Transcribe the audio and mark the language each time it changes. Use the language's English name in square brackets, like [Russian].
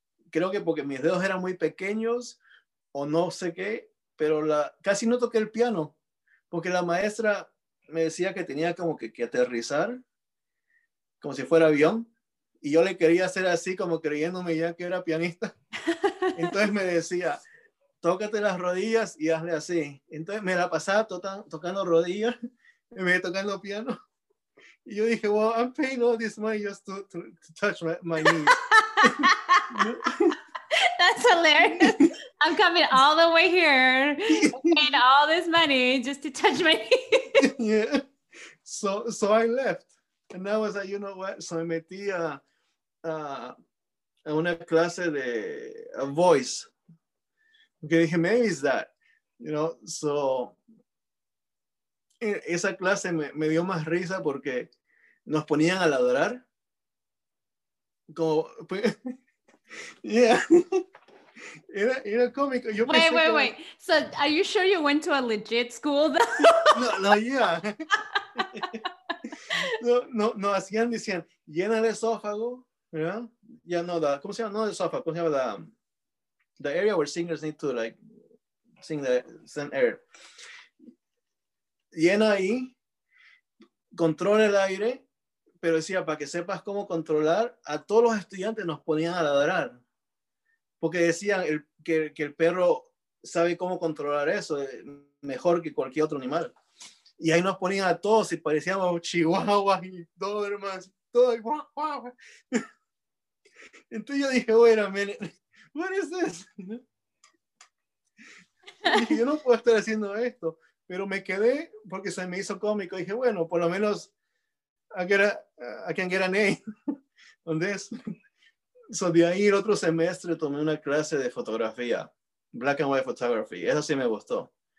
[Spanish] Creo que porque mis dedos eran muy pequeños o no sé qué, pero casi no toqué el piano porque la maestra me decía que tenía como que aterrizar como si fuera avión. Y yo le quería hacer así como creyéndome ya que era pianista. Entonces me decía, tócate las rodillas y hazle así. Entonces me la pasaba tocando rodillas en vez de tocando piano. Y yo dije, [English] well, I'm paying all this money just to touch my knees. That's hilarious. I'm coming all the way here. I'm paying all this money just to touch my knees. Yeah. So I left. And I was like, you know what? So I [Spanish] metí a una clase de [English] a voice. Okay, [Spanish] dije, [English] maybe it's that, you know. [Spanish] So esa clase me dio más risa porque nos ponían a ladrar. Como, pues, yeah. Era cómico. Yo [English] wait, [Spanish] pensé [English] wait, [Spanish] como, [English] wait. So are you sure you went to a legit school though? No, yeah. [Spanish] No, hacían, decían, llena el esófago, ¿verdad? [English] Yeah, no, the, [Spanish] ¿cómo se llama? No el esófago, ¿cómo se llama? [English] The area where singers need to, like, sing the send air. [Spanish] Llena ahí, controla el aire, pero decía, para que sepas cómo controlar, a todos los estudiantes nos ponían a ladrar. Porque decían que el perro sabe cómo controlar eso, mejor que cualquier otro animal. Y ahí nos ponían a todos y parecíamos chihuahuas y dobermans, todo igual. Wow. Entonces yo dije, [English] wait a minute, what is this? [Spanish] Dije, yo no puedo estar haciendo esto, pero me quedé porque se me hizo cómico. Dije, bueno, por lo menos [English] I can get an A on this. [Spanish] So de ahí el otro semestre tomé una clase de fotografía, [English] black and white photography. [Spanish] Eso sí me gustó.